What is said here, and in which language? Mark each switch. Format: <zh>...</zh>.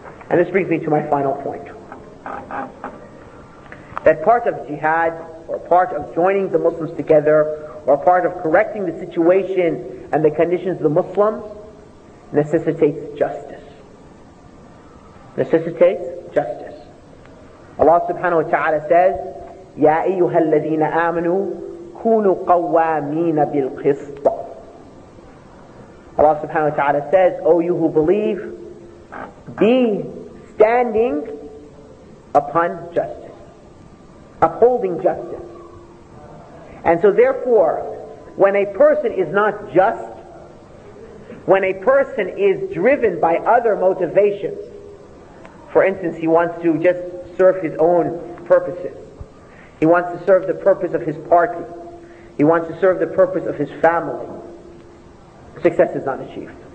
<en>And this brings me to my final point. That part of jihad, or part of joining the Muslims together, or part of correcting the situation and the conditions of the Muslim, necessitates justice. Necessitates justice. Allah subhanahu wa ta'ala says,</en> <ar>يَا أَيُّهَا الَّذِينَ آمَنُوا كُونُوا قَوَّامِينَ بِالْقِسْطَ.</ar> <en>Allah subhanahu wa ta'ala says, O you who believe, be standing upon justice, upholding justice. And so therefore, when a person is not just, when a person is driven by other motivations, for instance, he wants to just serve his own purposes, he wants to serve the purpose of his party, he wants to serve the purpose of his family, success is not achieved.</en>